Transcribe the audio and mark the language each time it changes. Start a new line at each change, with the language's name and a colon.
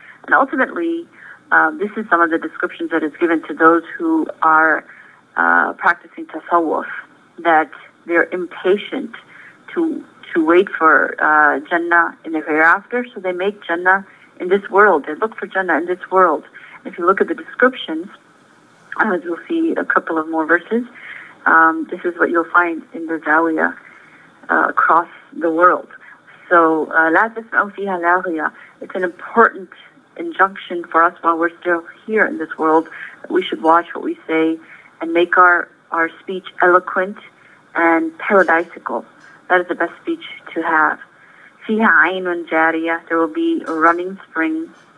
English: And ultimately, this is some of the descriptions that is given to those who are practicing tasawwuf, that they're impatient to wait for Jannah in the hereafter. So they make Jannah in this world. They look for Jannah in this world. If you look at the descriptions, as you'll see a couple of more verses, this is what you'll find in the Zawiya across the world.
Arabic: So, لَا تَسْمَعُ فِيهَا لَاغِيَةً.
English: It's an important injunction for us while we're still here in this world. We should watch what we say and make our speech eloquent and paradisical. That is the best speech to have.
Arabic: فِيهَا عَيْنٌ جَارِيَةً.
English: There will be a running spring.